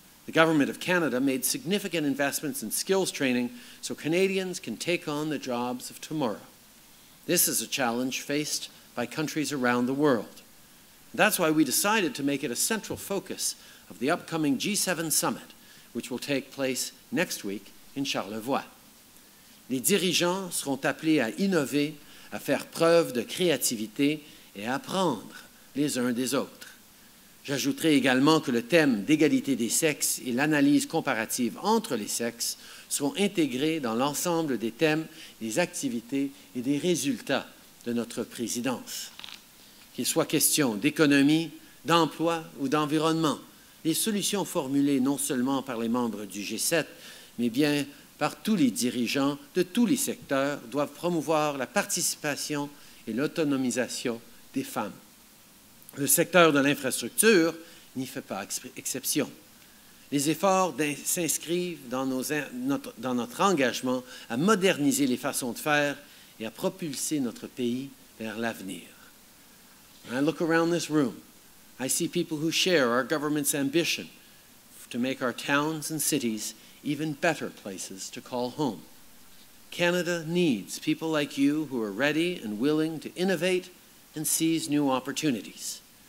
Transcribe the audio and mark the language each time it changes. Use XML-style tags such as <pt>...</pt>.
<en>The Government of Canada made significant investments in skills training so Canadians can take on the jobs of tomorrow. This is a challenge faced by countries around the world. That's why we decided to make it a central focus of the upcoming G7 summit, which will take place next week in Charlevoix.</en> <fr>Les dirigeants seront appelés à innover, à faire preuve de créativité et à apprendre les uns des autres. J'ajouterai également que le thème d'égalité des sexes et l'analyse comparative entre les sexes seront intégrés dans l'ensemble des thèmes, des activités et des résultats de notre présidence. Qu'il soit question d'économie, d'emploi ou d'environnement, les solutions formulées non seulement par les membres du G7, mais bien par tous les dirigeants de tous les secteurs doivent promouvoir la participation et l'autonomisation des femmes. Le secteur de l'infrastructure n'y fait pas exception. Les efforts s'inscrivent dans notre engagement à moderniser les façons de faire et à propulser notre pays vers l'avenir.</fr> <en>When I look around this room, I see people who share our government's ambition to make our towns and cities even better places to call home. Canada needs people like you who are ready and willing to innovate and seize new opportunities.</en>